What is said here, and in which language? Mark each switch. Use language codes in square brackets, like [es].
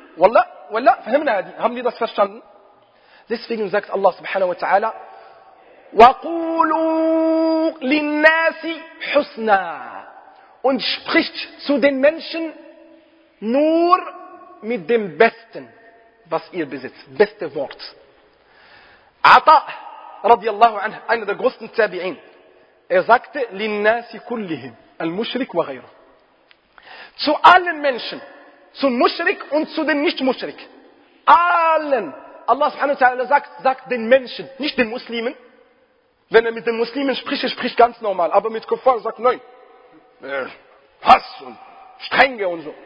[de] Wallah, haben wir das verstanden? Deswegen sagt Allah subhanahu wa ta'ala, [ar] وَقُولُوا لِلنَّاسِ حُسْنًا. [de] Und spricht zu den Menschen nur mit dem Besten, was ihr besitzt. Beste Wort. Ata' radiallahu anhu, einer der größten Tabi'in. Er sagte, [ar] لِلنَّاسِ كُلِّهِمْ المُشْرِك وَغَيْرُ. [de] Zu allen Menschen, zum Mushrik und zu den Nicht-Mushrik. Allen. Allah subhanahu wa ta'ala sagt den Menschen, nicht den Muslimen. Wenn er mit den Muslimen spricht, er spricht ganz normal. Aber mit Kuffar sagt, nein. Hass und Strenge und so.